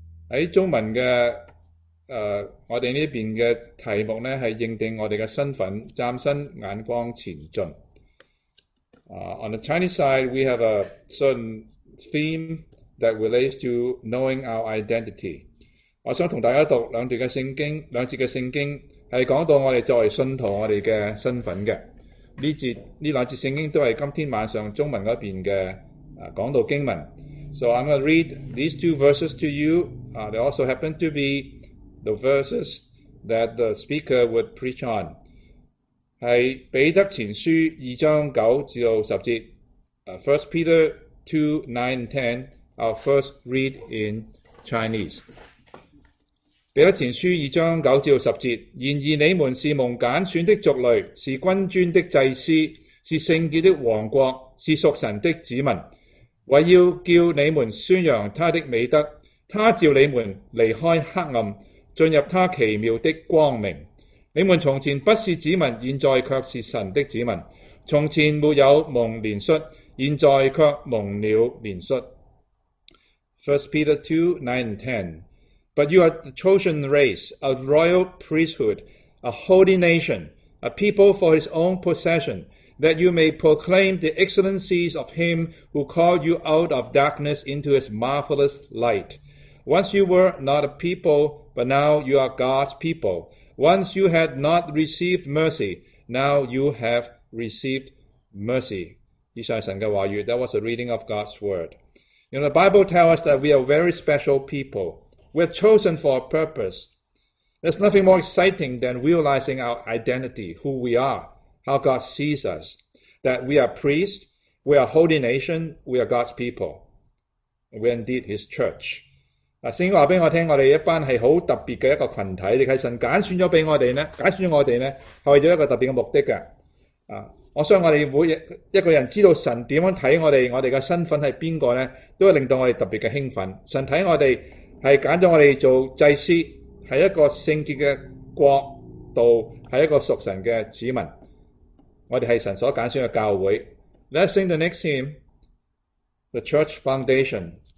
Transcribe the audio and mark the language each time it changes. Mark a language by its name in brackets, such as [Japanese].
[Chinese] 在中文的我们这边的题目呢，是认定我们的身份，站身眼光前进。 [English] On the Chinese side, we have a certain theme that relates to knowing our identity. [Chinese] 我想跟大家读两段的圣经，两节的圣经是讲到我们作为信徒我们的身份的。这两节圣经都是今天晚上中文那边的讲到经文。 [English] So I'm going to read these two verses to you. They also happen to be the verses that the speaker would preach on. [Chinese] 是彼得前书2章9至10节。 [English] 1 Peter 2, 9 and 10, I'll first read in Chinese. [Chinese] 彼得前书2章9至10节。然而你们是蒙拣选的族类，是君尊的祭司，是圣洁的王国，是属神的子民。为要叫你们宣扬他的美德，他召你们离开黑暗，进入他奇妙的光明。你们从前不是子民，现在却是神的子民；从前没有蒙怜恤，现在却蒙了怜恤。 [English] 1 Peter 2, 9 and 10 But you are the chosen race, a royal priesthood, a holy nation, a people for his own possession,that you may proclaim the excellencies of him who called you out of darkness into his marvelous light. Once you were not a people, but now you are God's people. Once you had not received mercy, now you have received mercy. [Chinese] 以上神的话语, [English] that was a reading of God's word. You know, the Bible tells us that we are very special people. We're chosen for a purpose. There's nothing more exciting than realizing our identity, who we are. How God sees us, that we are priests, we are a holy nation, we are God's people. We are indeed His church. [Chinese] 圣经告诉我们，我们一班是很特别的一个群体，是神拣选了给我们，拣选了我们是为了一个特别的目的的。我相信我们每一个人知道神怎样看我们，我们的身份是谁呢，都会令到我们特别的兴奋。神看我们是拣了我们做祭司，是一个圣洁的国度是一个属神的子民，我们是神所拣选的教会。 [English] Let's sing the next hymn, The Church Foundation.